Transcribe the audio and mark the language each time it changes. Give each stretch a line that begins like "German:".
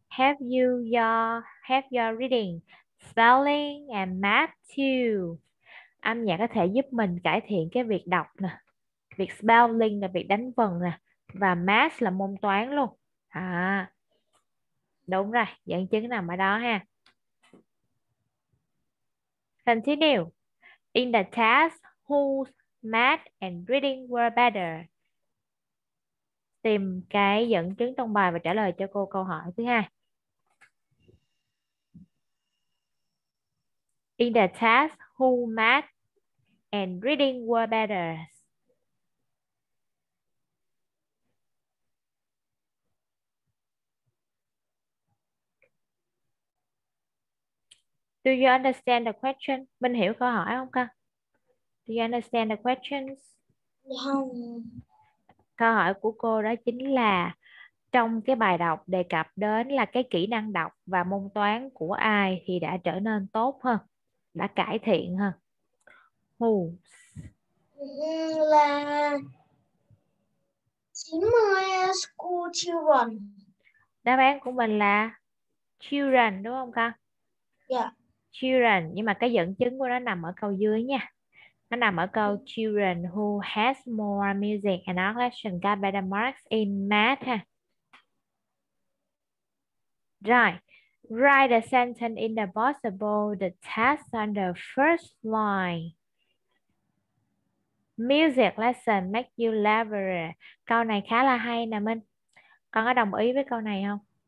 English: Help your reading, spelling and math too.
Vietnamese: Âm nhạc có thể giúp mình cải thiện cái việc đọc nè, việc spelling là việc đánh vần nè, và math là môn toán luôn. À, đúng rồi, dẫn chứng nằm ở đó ha.
English: Continue. In the test, whose math and reading were better?
Vietnamese: Tìm cái dẫn chứng trong bài và trả lời cho cô câu hỏi thứ hai.
English: In the test, who math and reading were better? Do you understand the question?
Vietnamese: Mình hiểu câu hỏi không con?
English: Do you understand the questions?
Vietnamese: Không. Câu hỏi của cô đó chính là trong cái bài đọc đề cập đến là cái kỹ năng đọc và môn toán của ai thì đã trở nên tốt hơn, đã cải thiện hơn.
English: Who? Là 90 school children.
Vietnamese: Đáp án của mình là children đúng không con? Children, nhưng mà cái dẫn chứng của nó nằm ở câu dưới nha. Nó nằm ở câu
English: children who has more music and action got better marks in math ha. Right. Write the sentence in the box above the test on the first line. Music lesson make you cleverer.
Vietnamese: Câu này khá là hay nè Minh. Con có đồng ý với câu này không?